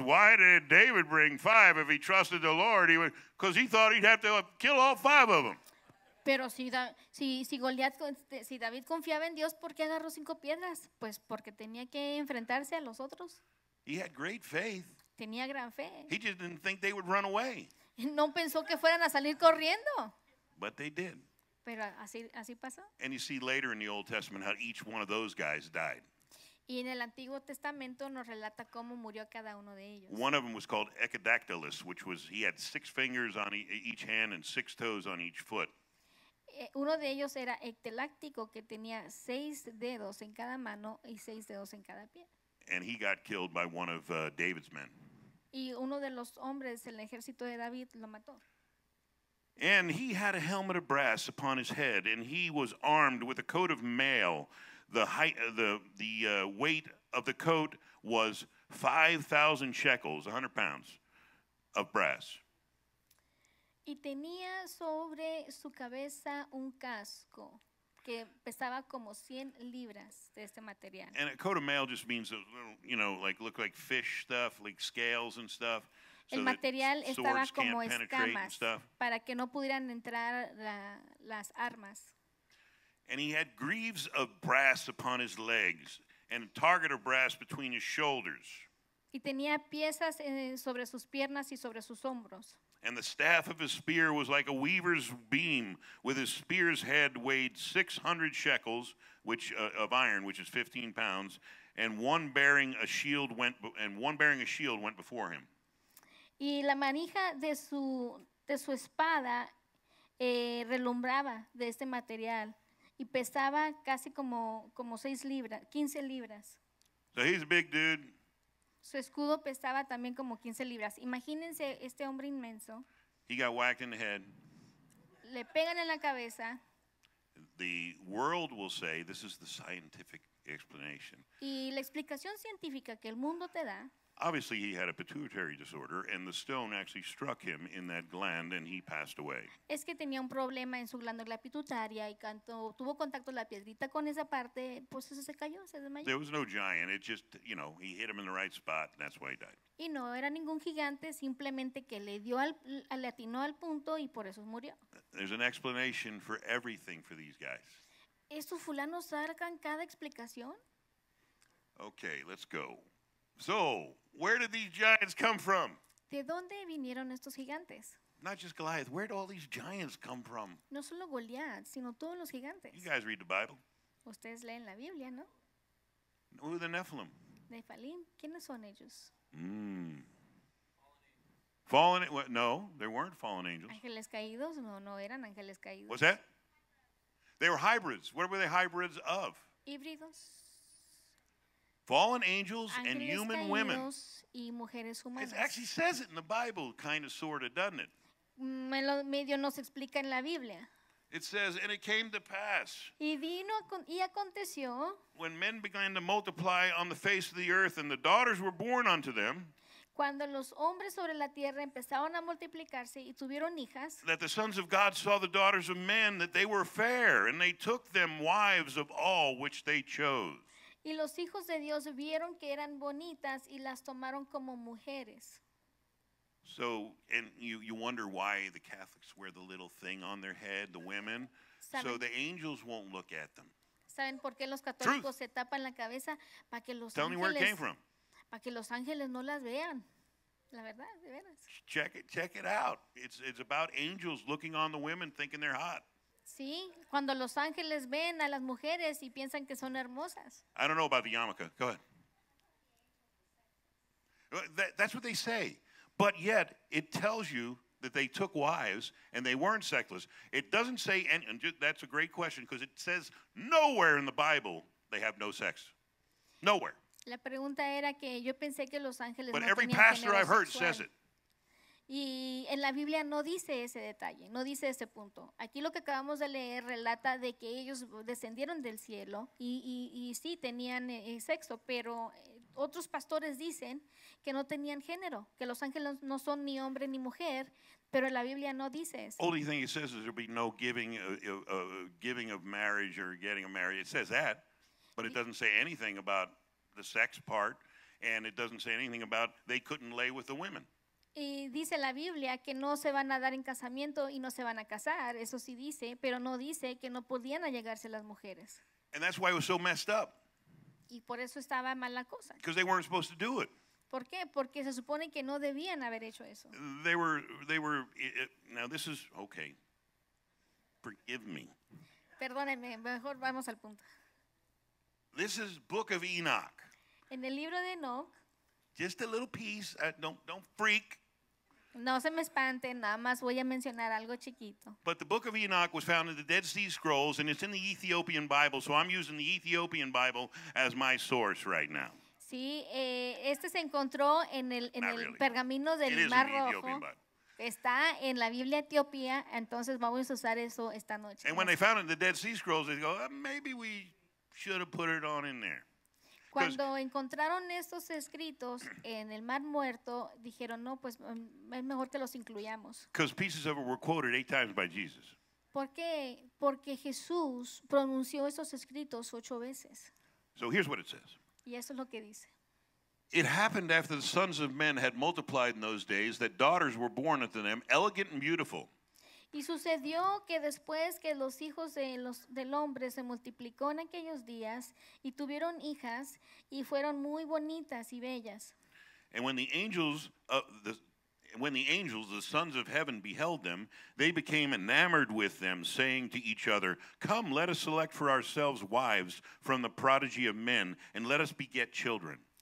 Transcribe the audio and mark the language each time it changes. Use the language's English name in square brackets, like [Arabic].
[English] Why did David bring five if he trusted the Lord? Because he thought he'd have to kill all five of them. [Spanish] Pero si Goliat, si David confiaba en Dios, ¿por qué agarró cinco piedras? Pues porque tenía que enfrentarse a los otros. [English] He had great faith. [Spanish] Tenía gran fe. [English] He just didn't think they would run away. [Spanish] No pensó que fueran a salir corriendo. [English] But they did. [Spanish] Pero así pasó. [English] And you see later in the Old Testament how each one of those guys died. [Spanish] Y en el Antiguo Testamento nos relata cómo murió cada uno de ellos. [English] One of them was called Echidactylus, which was, he had six fingers on each hand and six toes on each foot. [Spanish] Uno de ellos era Ectelactico, que tenía seis dedos en cada mano y seis dedos en cada pie. [English] And he got killed by one of David's men. [Spanish] Y uno de los hombres del ejército de David lo mató. [English] And he had a helmet of brass upon his head, and he was armed with a coat of mail. The height, weight of the coat was 5,000 shekels, 100 pounds, of brass. [Spanish] Y tenía sobre su cabeza un casco que pesaba como 100 libras de este material. [English] And a coat of mail just means a little, you know, like look like fish stuff, like scales and stuff. [Spanish] El material estaba como escamas para que no pudieran entrar las armas. [English] And he had greaves of brass upon his legs and a target of brass between his shoulders. [Spanish] Y tenía piezas sobre sus piernas y sobre sus hombros. [English] And the staff of his spear was like a weaver's beam, with his spear's head weighed 600 shekels, which of iron, which is 15 pounds, and one bearing a shield went before him. [Spanish] Y la manija de su espada relumbraba de este material y pesaba casi como 6 libras, 15 libras. [English] So he's a big dude. [Spanish] Su escudo pesaba también como 15 libras. Imagínense este hombre inmenso. [English] He got whacked in the head. [Spanish] Le pegan en la cabeza. [English] The world will say, this is the scientific explanation. [Spanish] Y la explicación científica que el mundo te da. [English] Obviously he had a pituitary disorder and the stone actually struck him in that gland and he passed away. [Spanish] Es que tenía un problema en su glándula pituitaria y cuando tuvo contacto la piedrita con esa parte, pues eso se cayó, se desmayó. [English] There was no giant, it just, you know, he hit him in the right spot and that's why he died. [Spanish] Y no era ningún gigante, simplemente que le dio al atinó al punto y por eso murió. [English] There's an explanation for everything for these guys. [Spanish] ¿Estos fulanos sacan cada explicación? [English] Okay, let's go. So, where did these giants come from? [Spanish] ¿De dónde vinieron estos gigantes? [English] Not just Goliath. Where did all these giants come from? [Spanish] No solo Goliath, sino todos los gigantes. [English] You guys read the Bible. [Spanish] Ustedes leen la Biblia, ¿no? [English] Who are the Nephilim? [Spanish] Nephilim. ¿Quiénes son ellos? [English] Fallen. What? No, they weren't fallen angels. [Spanish] Ángeles caídos. No eran ángeles caídos. [English] What's that? They were hybrids. What were they hybrids of? [Spanish] Híbridos. [English] Fallen angels and human women. [Spanish] Y mujeres humanas. [English] It actually says it in the Bible, kind of, sort of, doesn't it? [Spanish] Medio nos explica en la Biblia. [English] It says, and it came to pass. [Spanish] Y vino y aconteció. [English] When men began to multiply on the face of the earth and the daughters were born unto them. [Spanish] Cuando los hombres sobre la tierra empezaron a multiplicarse y tuvieron hijas. [English] That the sons of God saw the daughters of men, that they were fair, and they took them wives of all which they chose. [Spanish] Y los hijos de Dios vieron que eran bonitas y las tomaron como mujeres. [English] So, and you wonder why the Catholics wear the little thing on their head, the women, so the angels won't look at them. [Spanish] ¿Saben por qué los católicos se tapan la cabeza? Para que los ángeles, [English] tell me where it came from. [Spanish] Para que los ángeles no las vean. La verdad, de veras. [English] Check it out. It's about angels looking on the women thinking they're hot. Sí, cuando los ángeles ven a las mujeres y piensan que son hermosas. I don't know about the yarmulke. Go ahead. That's what they say. But yet, it tells you that they took wives and they weren't sexless. It doesn't say, and that's a great question, because it says nowhere in the Bible they have no sex. Nowhere. [Spanish] La pregunta era que yo pensé que los ángeles [English] but no every pastor I've heard sexual. Says it. [Spanish] Y en la Biblia no dice ese detalle, no dice ese punto. Aquí lo que acabamos de leer relata de que ellos descendieron del cielo y sí tenían sexo, pero otros pastores dicen que no tenían género, que los ángeles no son ni hombre ni mujer, pero la Biblia no dice eso. [English] Only thing it says is there'll be no giving of marriage or getting married. It says that, but it doesn't say anything about the sex part, and it doesn't say anything about they couldn't lay with the women. [Spanish] Y dice la Biblia que no se van a dar en casamiento y no se van a casar, eso sí dice, pero no dice que no podían allegarse las mujeres. [English] And that's why it was so messed up. [Spanish] Y por eso estaba mal la cosa. [English] Because they weren't supposed to do it. [Spanish] ¿Por qué? Porque se supone que no debían haber hecho eso. [English] They were now this is okay. Forgive me. [Spanish] Perdónenme, mejor vamos al punto. [English] This is Book of Enoch. [Spanish] En el libro de Enoch. [English] Just a little piece. Don't freak. [Spanish] No se me espanten, nada más voy a mencionar algo chiquito. [English] But the Book of Enoch was found in the Dead Sea Scrolls, and it's in the Ethiopian Bible, so I'm using the Ethiopian Bible as my source right now. [Spanish] Sí, este se encontró en el pergamino del Mar Rojo. Está en la Biblia Etiopía, entonces vamos a usar eso esta noche. [English] And when they found it in the Dead Sea Scrolls, they go, maybe we should have put it on in there. [Spanish] Cuando encontraron estos escritos en el Mar Muerto, dijeron, no, pues es mejor que los incluyamos. [English] Because pieces of it were quoted 8 times by Jesus. [Spanish] ¿Por qué? Porque Jesús pronunció esos escritos 8 veces. [English] So here's what it says. [Spanish] Y eso es lo que dice. [English] It happened after the sons of men had multiplied in those days that daughters were born unto them, elegant and beautiful. [Spanish] Y sucedió que después que los hijos de los del hombre se multiplicó en aquellos días y tuvieron hijas y fueron muy bonitas y bellas. [English] And when the angels the sons of heaven beheld them, they became enamored with them, saying to each other, "Come, let us select for ourselves wives from the prodigy of men, and let us beget children."